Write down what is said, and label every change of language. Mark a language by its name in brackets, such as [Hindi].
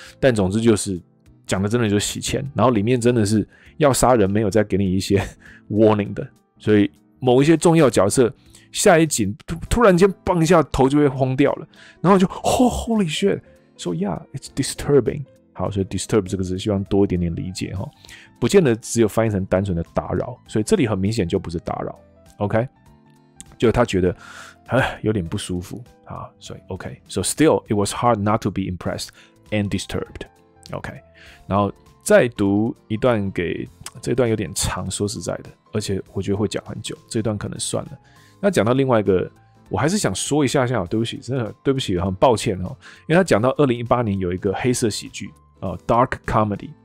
[Chinese] 但总之就是讲的真的就是洗钱，然后里面真的是要杀人，没有再给你一些 warning 的，所以某一些重要角色下一集突然间嘣一下头就会轰掉了，然后就 [English] Holy shit。 So yeah, it's disturbing. [Chinese] 好，所以 disturb 这个字希望多一点点理解哈，不见得只有翻译成单纯的打扰。所以这里很明显就不是打扰 ，OK？ 就他觉得，有点不舒服啊，所以 OK。 [English] So still, it was hard not to be impressed and disturbed. [Chinese] OK， 然后再读一段给这段有点长，说实在的，而且我觉得会讲很久，这段可能算了。那讲到另外一个。我还是想说一下，对不起，真的对不起，很抱歉，因为他讲到2018年有一个黑色喜剧，Dark Comedy，